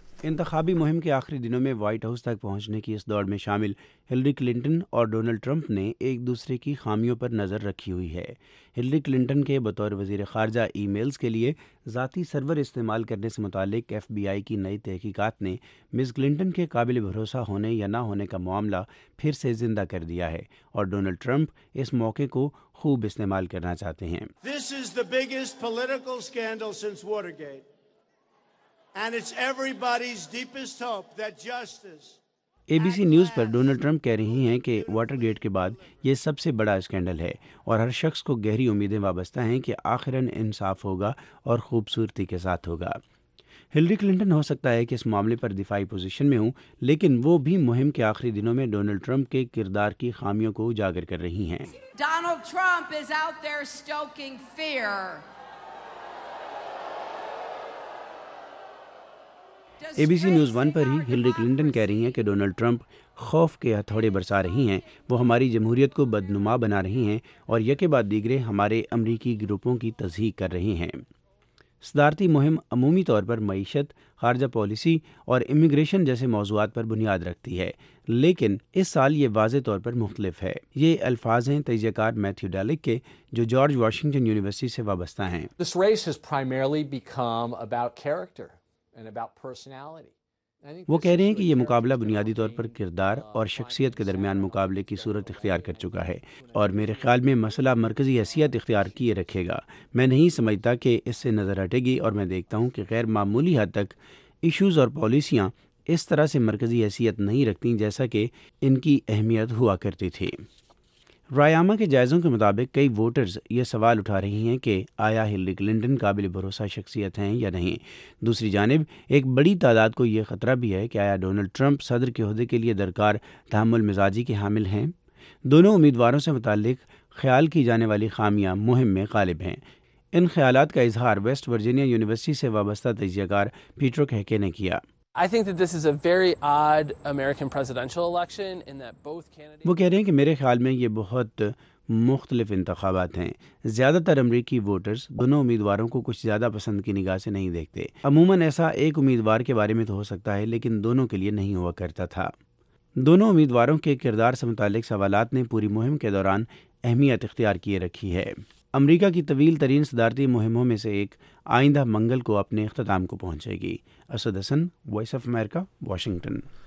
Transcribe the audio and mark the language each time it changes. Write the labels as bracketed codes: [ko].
[ur] انتخابی مہم کے آخری دنوں میں وائٹ ہاؤس تک پہنچنے کی اس دوڑ میں شامل ہلری کلنٹن اور ڈونلڈ ٹرمپ نے ایک دوسرے کی خامیوں پر نظر رکھی ہوئی ہے۔ ہلری کلنٹن کے بطور وزیر خارجہ ای میلز کے لیے ذاتی سرور استعمال کرنے سے متعلق ایف بی آئی کی نئی تحقیقات نے مس کلنٹن کے قابل بھروسہ ہونے یا نہ ہونے کا معاملہ پھر سے زندہ کر دیا ہے، اور ڈونلڈ ٹرمپ اس موقع کو خوب استعمال کرنا چاہتے ہیں۔ [en] This is the biggest political scandal since Watergate. [ur] A B C news per Donald Trump کہہ رہی ہیں کہ واٹر گیٹ کے بعد یہ سب سے بڑا اسکینڈل ہے اور ہر شخص کو گہری امیدیں وابستہ ہیں کہ آخراً انصاف ہوگا اور خوبصورتی کے ساتھ ہوگا۔ ہلری کلنٹن ہو سکتا ہے کہ اس معاملے پر دفاعی پوزیشن میں ہوں، لیکن وہ بھی مہم کے آخری دنوں میں ڈونلڈ ٹرمپ کے کردار کی خامیوں کو اجاگر کر رہی ہیں۔ [en] Donald Trump is out there stoking fear. [ur] A B C news one per he Hillary Clinton کہہ رہی ہیں کہ ڈونلڈ ٹرمپ خوف کے ہتھوڑے برسا رہی ہیں، وہ ہماری جمہوریت کو بدنما بنا رہی ہیں اور یکے بعد دیگرے ہمارے امریکی گروپوں کی تصحیح کر رہی ہیں۔ صدارتی مہم عمومی طور پر معیشت، خارجہ پالیسی اور امیگریشن جیسے موضوعات پر بنیاد رکھتی ہے، لیکن اس سال یہ واضح طور پر مختلف ہے۔ یہ الفاظ ہیں تجزیہ کار میتھیو ڈیلک کے، جو جارج واشنگٹن یونیورسٹی سے وابستہ ہیں۔ [en] This race has primarily become about character and about personality. [ur] وہ کہہ رہے ہیں کہ یہ مقابلہ بنیادی طور پر کردار اور شخصیت کے درمیان مقابلے کی صورت اختیار کر چکا ہے، اور میرے خیال میں مسئلہ مرکزی حیثیت اختیار کیے رکھے گا۔ میں نہیں سمجھتا کہ اس سے نظر ہٹے گی، اور میں دیکھتا ہوں کہ غیر معمولی حد تک ایشوز اور پالیسیاں اس طرح سے مرکزی حیثیت نہیں رکھتی جیسا کہ ان کی اہمیت ہوا کرتی تھی۔ رائیاما کے جائزوں کے مطابق کئی ووٹرز یہ سوال اٹھا رہی ہیں کہ آیا ہلری کلنٹن قابل بھروسہ شخصیت ہیں یا نہیں۔ دوسری جانب ایک بڑی تعداد کو یہ خطرہ بھی ہے کہ آیا ڈونلڈ ٹرمپ صدر کے عہدے کے لیے درکار تحمل مزاجی کے حامل ہیں۔ دونوں امیدواروں سے متعلق خیال کی جانے والی خامیاں مہم میں غالب ہیں۔ ان خیالات کا اظہار ویسٹ ورجینیا یونیورسٹی سے وابستہ تجزیہ کار پیٹر کہکے نے کیا۔ [en] I think that this is a very odd American presidential election in that both candidates [ur] وہ کہہ رہے ہیں کہ میرے خیال میں یہ بہت مختلف انتخابات ہیں۔ زیادہ تر امریکی ووٹرز دونوں امیدواروں کو کچھ زیادہ پسند کی نگاہ سے نہیں دیکھتے۔ عموماً ایسا ایک امیدوار کے بارے میں تو ہو سکتا ہے، لیکن دونوں کے لیے نہیں ہوا کرتا تھا۔ دونوں امیدواروں کے کردار سے متعلق سوالات نے پوری مہم کے دوران اہمیت اختیار کیے رکھی ہے۔ امریکہ کی طویل ترین صدارتی مہموں میں سے ایک آئندہ منگل کو اپنے اختتام کو پہنچے گی۔ اسد حسن، وائس آف امریکہ، واشنگٹن۔